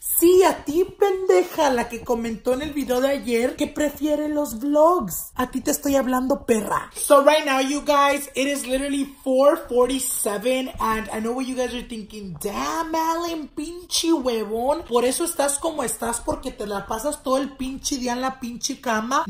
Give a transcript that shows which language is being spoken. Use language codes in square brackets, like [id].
[es] Sí, a ti, pendeja, la que comentó en el video de ayer que prefiere los vlogs. A ti te estoy hablando, perra. [en] So right now, you guys, it is literally 4:47, and I know what you guys are thinking. [es] Damn, Alan, pinche huevón. Por eso estás como estás, porque te la pasas todo el pinche día en la pinche cama.